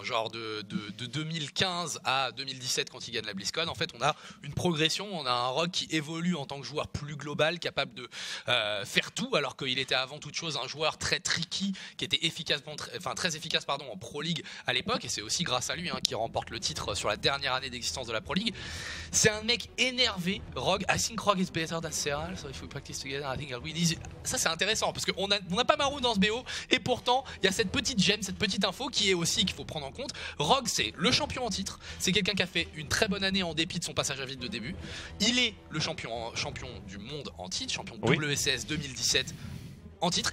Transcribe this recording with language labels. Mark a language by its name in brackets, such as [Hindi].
[French] Genre de 2015 à 2017, quand il gagne la BlizzCon, en fait, on a une progression. On a un Rogue qui évolue en tant que joueur plus global, capable de faire tout, alors qu'il était avant toute chose un joueur très tricky, qui était très efficace en Pro League à l'époque. Et c'est aussi grâce à lui hein, qu'il remporte le titre sur la dernière année d'existence de la Pro League. C'est un mec énervé, Rogue. [English] I think Rogue is better than Serral, so if we practice together, I think I'll win. [French] Ça c'est intéressant parce qu'on a pas Maru dans ce BO et pourtant il y a cette petite gemme, cette petite info qui est aussi qu'il faut prendre en compte. Rogue c'est le champion en titre, c'est quelqu'un qui a fait une très bonne année en dépit de son passage à vide de début. Il est le champion du monde en titre, champion WSS 2017 en titre.